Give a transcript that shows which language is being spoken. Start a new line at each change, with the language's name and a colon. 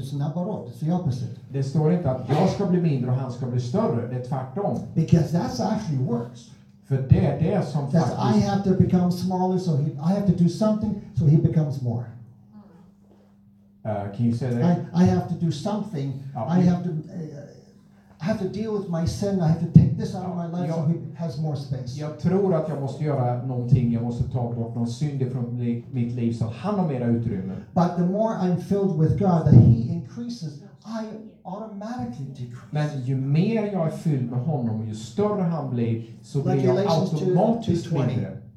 English: It's not about all. It's the opposite.
Swedish: Det står inte att jag ska bli mindre och han ska bli större. Det är tvärtom.
English: Because that's actually works.
Swedish: För det är det som
English: that's
Swedish: faktiskt.
English: I have to become smaller, so I have to do something, so he becomes more. Can you say that? I have to do something. Okay. I have to deal with my sin. I have to take this out of my life, so he has more space.
Swedish: Jag tror att jag måste göra någonting. Jag måste ta bort någon synd från mitt liv så han har mer utrymme.
English: But the more I'm filled with God, that he increases, I automatically decrease.
Swedish: Men ju mer jag är fylld med honom, ju större han blir, så blir jag automatiskt mindre.